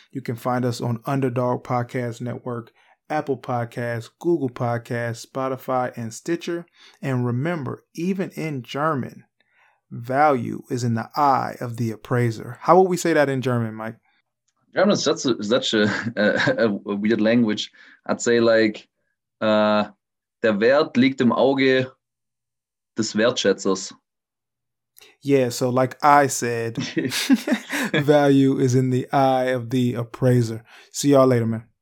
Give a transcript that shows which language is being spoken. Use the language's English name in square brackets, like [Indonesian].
[English] You can find us on Underdog Podcast Network, Apple Podcasts, Google Podcasts, Spotify, and Stitcher. And remember, even in German, value is in the eye of the appraiser. How would we say that in German, Mike? German is such a weird language. I'd say like, [German] der Wert liegt im Auge des Wertschätzers. [English] Yeah, so like I said, value is in the eye of the appraiser. See y'all later, man.